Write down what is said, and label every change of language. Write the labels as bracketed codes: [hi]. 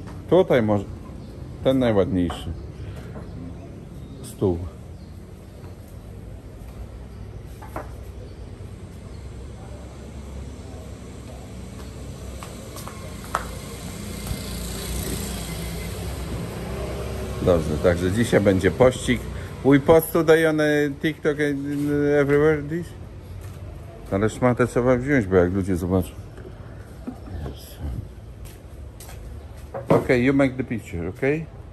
[pl] Tutaj może ten najładniejszy stół. Dobrze, także dzisiaj będzie pościg. [en] We post today on TikTok and everywhere this. [pl] Ale szmatę trzeba wziąć, bo jak ludzie zobaczą. [en] Yes. Okay, you make the picture, okay?